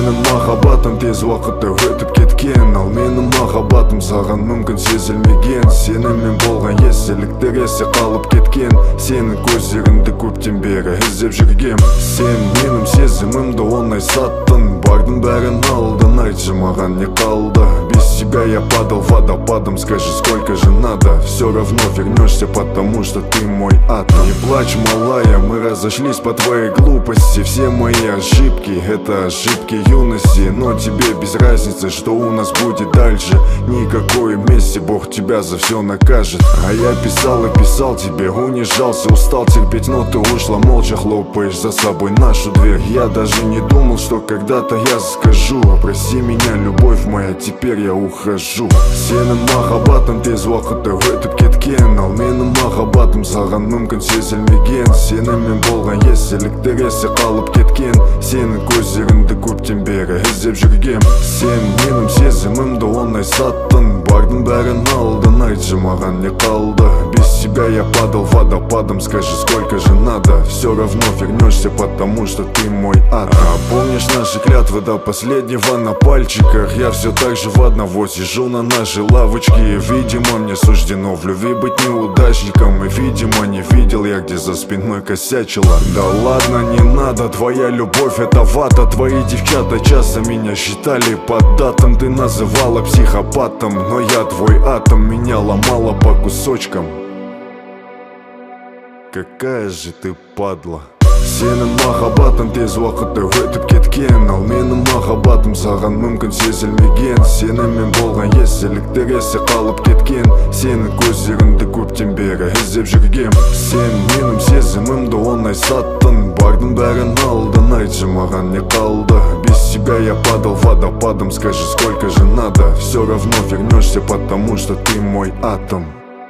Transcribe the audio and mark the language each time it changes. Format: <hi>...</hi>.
<kk>махаббатым тез уақытта өтіп кеткен. Ал менің махаббатым саған мүмкін сезілмеген. Сенімен болған естеліктер есте қалып кеткен. Сенің көздеріңді көптен бері іздеп жүргем. Сен менің сезімімді оңай саттың. Бардың бәрін алдың, айтшы маған не қалды.</kk> <ru>Без тебя я падал в водопадом, скажи сколько же надо. Все равно вернешься, потому что ты мой ад. Не плачь, малая, мы разошлись по твоей глупости. Все мои ошибки, это ошибки юности. Но тебе без разницы, что у нас будет дальше. Никакой мести, Бог тебя за все накажет. А я писал и писал тебе, унижался, устал терпеть. Но ты ушла молча, хлопаешь за собой нашу дверь. Я даже не думал, что когда-то я скажу. Прости меня, любовь моя, теперь я ухожу.</ru> <kk>Сенің махаббатым тез уақытта өтіп кеткен. Ал менің махаббатым саған мүмкін сезілмеген. Сенімен болған естеліктер есте қалып кеткен. Сенің көздеріңді көптен бері іздеп жүргем. Сен менің сезімімді оңай саттың. Бардың бәрін алдың, айтшы маған не қалды.</kk> <ru>Без тебя я падал водопадом, скажи сколько же надо. Все равно вернешься, потому что ты мой ад. А помнишь наши клятвы до последнего на пальчиках? Я все так же в одного сижу на нашей лавочке. И видимо мне суждено в любви быть неудачником. И видимо не видел я, где за спиной косячила. Да ладно, не надо, твоя любовь это вата. Твои девчата часто меня считали поддатым. Ты называла психопатом, но я твой атом. Меня ломала по кусочкам. Какая же ты падла.</ru> <kk>Сенің махаббатым тез уақытта өтіп кеткен. Ал менің махаббатым саған мүмкін сезілмеген. Сенімен болған естеліктер есте қалып кеткен. Сенің көздеріңді көптен бері іздеп жүргем. Сен менің сезімімді оңай саттың. Бардың бәрін алдың, айтшы маған не қалды.</kk> <ru>Без тебя я падал водопадом, скажи сколько же надо. Все равно вернешься, потому что ты мой атом.</ru>